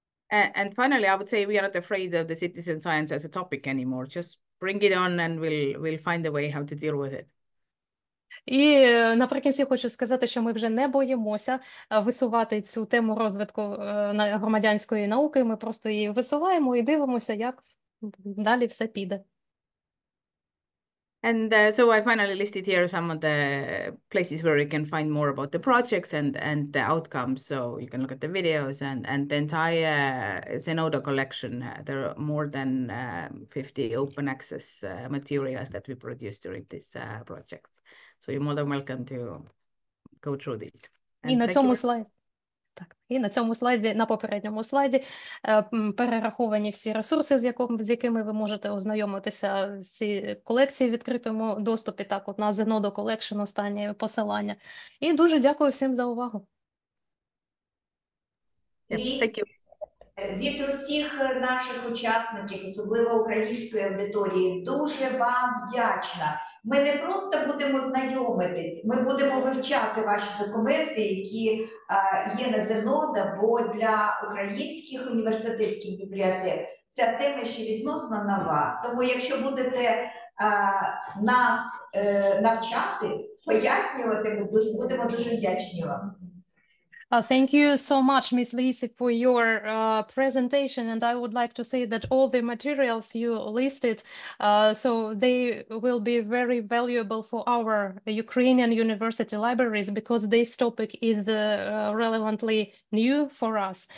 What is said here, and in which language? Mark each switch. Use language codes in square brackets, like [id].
[en] And finally, I would say we are not afraid of the citizen science as a topic anymore. Just bring it on and we'll find a way how to deal with it. [uk] І наприкінці хочу сказати, що ми вже не боїмося висувати цю тему розвитку громадянської науки. Ми просто її висуваємо і дивимося, як далі все піде. [en] And so I finally listed here some of the places where you can find more about the projects and the outcomes. So you can look at the videos and the entire Zenodo collection. There are more than 50 open access materials that we produced during this project. So you're more than welcome to go through these. And thank you. [uk] Так, і на цьому слайді, на попередньому слайді, перераховані всі ресурси, з якими ви можете ознайомитися, всі колекції в відкритому доступі, так, от на Zenodo Collection останнє посилання. І дуже дякую всім за увагу. [en] Yeah, thank you. [uk] від усіх наших учасників, особливо української аудиторії, дуже вам вдячна. Ми не просто будемо знайомитись, ми будемо вивчати ваші документи, які є на Зернода, бо для українських університетських бібліотек ця тема ще відносно нова. Тому якщо будете нас навчати, пояснювати, ми будемо дуже вдячні вам. [en] Thank you so much, Ms. Liisi, for your presentation. And I would like to say that all the materials you listed, so they will be very valuable for our Ukrainian university libraries, because this topic is relevantly new for us.